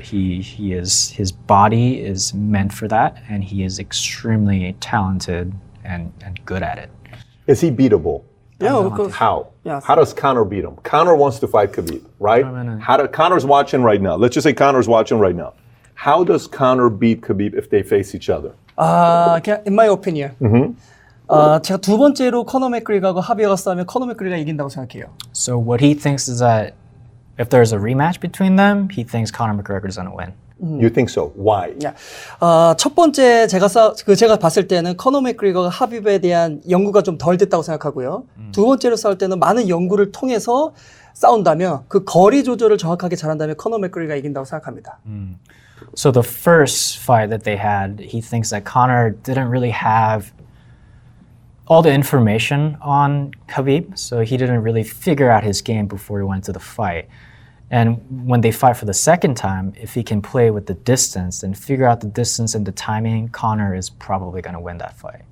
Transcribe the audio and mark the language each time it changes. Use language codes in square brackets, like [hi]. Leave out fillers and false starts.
[en] He is, his body is meant for that, and he is extremely talented and good at it. Is he beatable? Yeah, of course. How? Yes. How does Conor beat him? Conor wants to fight Khabib, right? Conor's watching right now. Let's just say Conor's watching right now. How does Conor beat Khabib if they face each other? In my opinion. Mm-hmm. [ko] 제가 두 번째로 코너 맥그리거하고 하비어가 싸우면 코너 맥그리거가 이긴다고 생각해요. [en] So what he thinks is that if there's a rematch between them, he thinks Conor McGregor is going to win. You think so? Why? Yeah. [ko] 첫 번째 제가 봤을 때는 코너 맥그리거가 하비브에 대한 연구가 좀 덜 됐다고 생각하고요. 두 번째로 싸울 때는 많은 연구를 통해서 싸운다면 그 거리 조절을 정확하게 잘한다면 코너 맥그리거가 이긴다고 생각합니다. [en] So the first fight that they had, he thinks that Conor didn't really have all the information on Khabib, so he didn't really figure out his game before he went to the fight. And when they fight for the second time, if he can play with the distance and figure out the distance and the timing, Conor is probably going to win that fight.